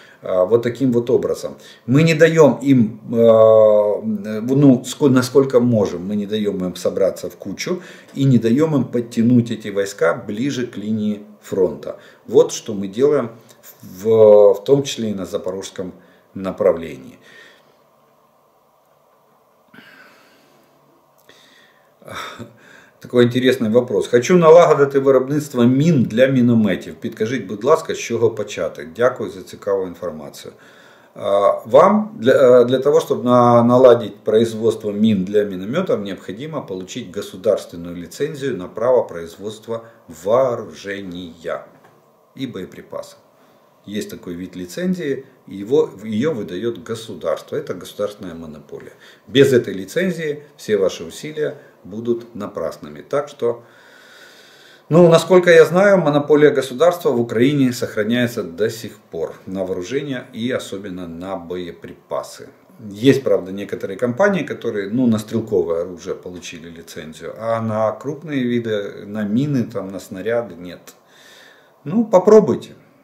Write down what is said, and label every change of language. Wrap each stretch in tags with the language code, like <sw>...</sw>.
<ru>Вот таким вот образом. Мы не даем им, ну, насколько можем, мы не даем им собраться в кучу и не даем им подтянуть эти войска ближе к линии фронта. Вот что мы делаем, в том числе и на запорожском направлении. Такой интересный вопрос.</ru> <uk>Хочу налагодити виробництво мін для мінометів. Підкажіть, будь ласка, з чого почати? Дякую за цікаву інформацію. Вам для того, щоб наладити производство мін для мінометів, необхідно отримати государственную ліцензію на право производства вооружения і боєприпасів. Є такий вид ліцензії, її видає государство. Це государственная монополія. Без цієї ліцензії всі ваші</uk> <ru>усилия будут напрасными. Так что, ну, насколько я знаю, монополия государства в Украине сохраняется до сих пор на вооружение и особенно на боеприпасы. Есть, правда, некоторые компании, которые, ну, на стрелковое оружие получили лицензию, а на крупные виды, на мины, там, на снаряды нет. Ну, попробуйте.</ru>